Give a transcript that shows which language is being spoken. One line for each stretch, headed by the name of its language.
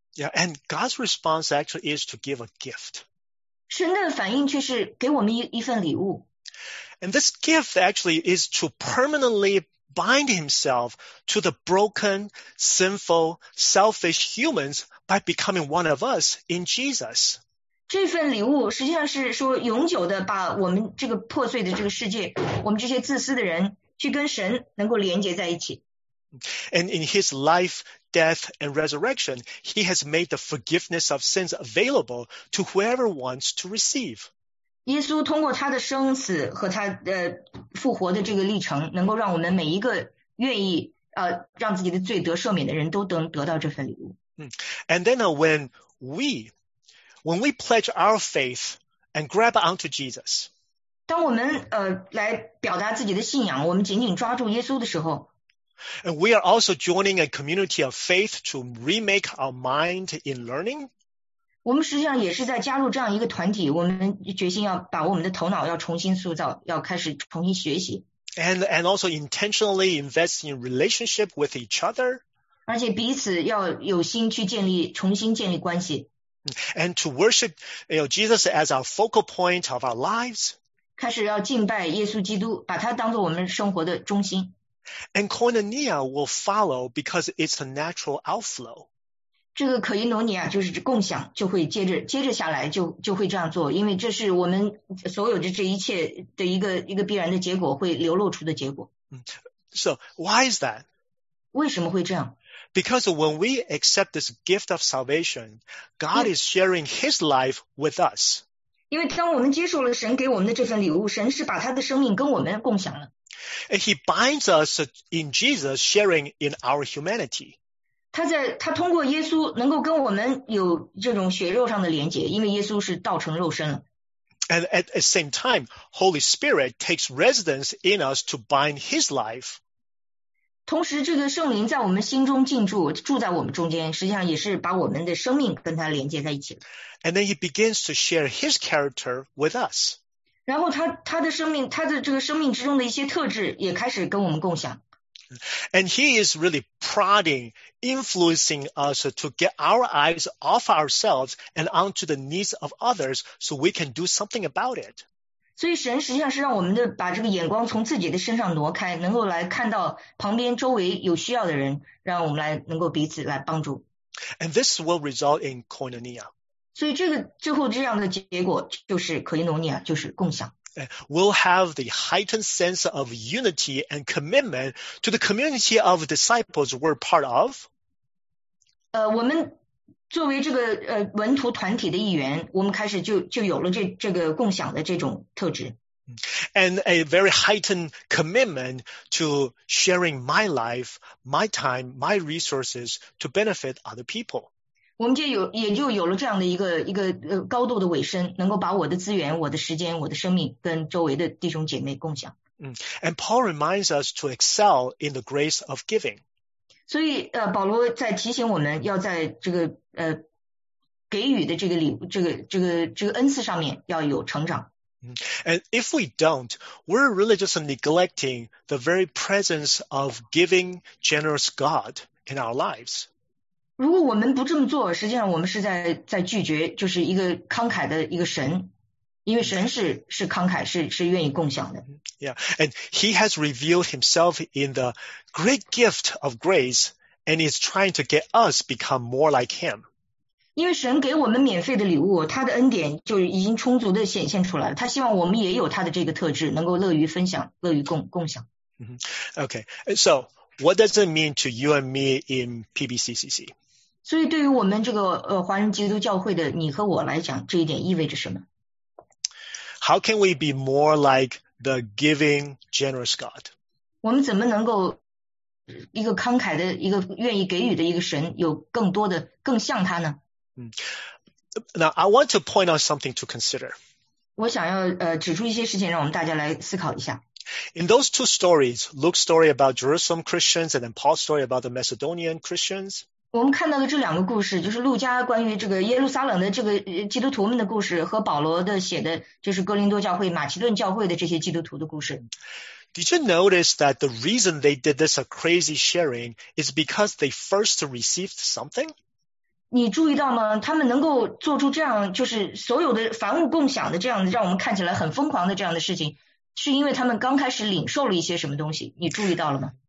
English: Yeah, and God's response actually is to give a gift.
Chinese: 神的反应却是给我们一份礼物。
English: And this gift actually is to permanently bind himself to the broken, sinful, selfish humans by becoming one of us in Jesus.
Chinese: 这份礼物实际上是说永久的把我们这个破碎的这个世界，我们这些自私的人去跟神能够连接在一起。
English: And in his life, death, and resurrection, he has made the forgiveness of sins available to whoever wants to receive.
Chinese: 耶稣通过他的生死和他的复活的这个历程，能够让我们每一个愿意让自己的罪得赦免的人都能得到这份礼物。
English: And then when we pledge our faith and grab onto Jesus,
Chinese: 当我们来表达自己的信仰，我们紧紧抓住耶稣的时候。
English: And we are also joining a community of faith to remake our mind in learning.
Chinese: 我们实际上也是在加入这样一个团体，我们决心要把我们的头脑要重新塑造，要开始重新学习。
English: And also intentionally invest in relationship with each other.
Chinese: 而且彼此要有心去建立，重新建立关系。
English: And to worship, you know, Jesus as our focal point of our lives.
Chinese: 开始要敬拜耶稣基督，把它当作我们生活的中心。
English: And koinonia will follow because it's a natural outflow.
Chinese: 这个可以诺尼亚就是共享，就会接着下来就会这样做，因为这是我们所有的这一切的一个必然的结果，会流露出的结果。
English: So why is that?
Chinese: 为什么会这样？
English: Because when we accept this gift of salvation, God is sharing His life with us.
Chinese: 因为当我们接受了神给我们的这份礼物，神是把他的生命跟我们共享了。
English: And he binds us in Jesus sharing in our humanity.
Chinese: 他通过耶稣能够跟我们有这种血肉上的连结，因为耶稣是道成肉身了。
English: And at the same time, Holy Spirit takes residence in us to bind his life.
Chinese: 同时这个圣灵在我们心中进驻，住在我们中间，实际上也是把我们的生命跟他连接在一起。
English: And then he begins to share his character with us.
Chinese: 然后他的生命，他的这个生命之中的一些特质也开始跟我们共享。
English: And he is really prodding, influencing us to get our eyes off ourselves and onto the needs of others so we can do something about it.
Chinese: 所以神实际上是让我们的把这个眼光从自己的身上挪开，能够来看到旁边周围有需要的人，让我们来能够彼此来帮助。
English: And this will result in koinonia.
Chinese: 所以这个最后这样的结果就是可以努力啊，就是共享。
English: We'll have the heightened sense of unity and commitment to the community of disciples we're part of.
Chinese: 我们作为这个门徒团体的一员，我们开始就有了这个共享的这种特质。
English: And a very heightened commitment to sharing my life, my time, my resources to benefit other people.
Chinese: 我们也就有了这样的一个高度的尾声，能够把我的资源、我的时间、我的生命跟周围的弟兄姐妹共享。
English: And Paul reminds us to excel in the grace of giving.
Chinese: 所以保罗在提醒我们要在这个给予的这个礼物、这个恩赐上面要有成长。
English: And if we don't, we're really just neglecting the very presence of giving, generous God in our lives.
Chinese: 如果我们不这么做，实际上我们是在拒绝，就是一个慷慨的一个神，因为神是慷慨，是愿意共享的。
English: Yeah, and he has revealed himself in the great gift of grace, and is trying to get us become more like him.
Chinese: 因为神给我们免费的礼物，他的恩典就已经充足的显现出来了。他希望我们也有他的这个特质，能够乐于分享，乐于共享。
English: Okay, so. What does it mean to you and me in PBCCC?
Chinese: 所以对于我们这个华人基督教会的你和我来讲，这一点意味着什么？
English: How can we be more like the giving, generous God?
Chinese: 我们怎么能够一个慷慨的、一个愿意给予的一个神，有更多的、更像他呢？
English: Now, I want to point out something to consider.
Chinese: 我想要指出一些事情，让我们大家来思考一下。
English: In those two stories, Luke's story about Jerusalem Christians and then Paul's story about the Macedonian Christians.
Chinese: 我们看到的这两个故事，就是路加关于这个耶路撒冷的这个基督徒们的故事，和保罗的写的就是哥林多教会、马其顿教会的这些基督徒的故事。
English: Did you notice that the reason they did this a crazy sharing is because they first received something?
Chinese: 你注意到吗？他们能够做出这样，就是所有的凡物共享的这样，让我们看起来很疯狂的这样的事情。是因为他们刚开始领受了一些什么东西，你注意到了吗？